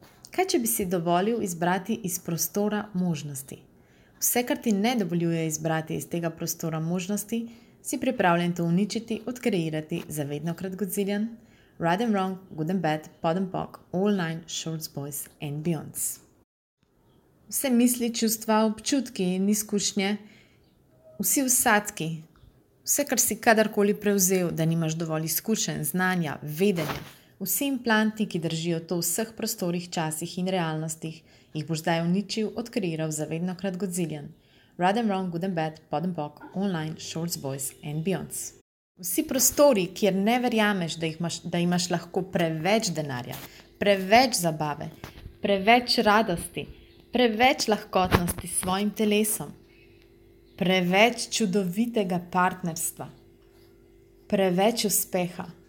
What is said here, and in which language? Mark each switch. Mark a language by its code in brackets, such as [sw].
[sl] Kaj, če bi si dovolil izbrati iz prostora možnosti? Vse, kar ti ne dovoljuje izbrati iz tega prostora možnosti, si pripravljen to uničiti, odkreirati za vedno krat godziljan? [en] Right and wrong, good and bad, pod and pock, online, shorts, boys and beyonds. [sl] Vse misli, čustva, občutki in izkušnje, vsi vsadki, vse, kar si kadarkoli prevzel, da nimaš dovolj izkušenj, znanja, vedenja, vsi implanti, ki držijo to v vseh prostorih, časih in realnostih, jih boš zdaj uničil, odkreiral za vedno krat godziljan. [en] Right and wrong, good and bad, pod and pock, online, shorts, boys and beyonds. [sl] Vsi prostori, kjer ne verjameš, da imaš lahko preveč denarja, preveč zabave, preveč radosti, preveč lahkotnosti s svojim telesom, preveč čudovitega partnerstva, preveč uspeha.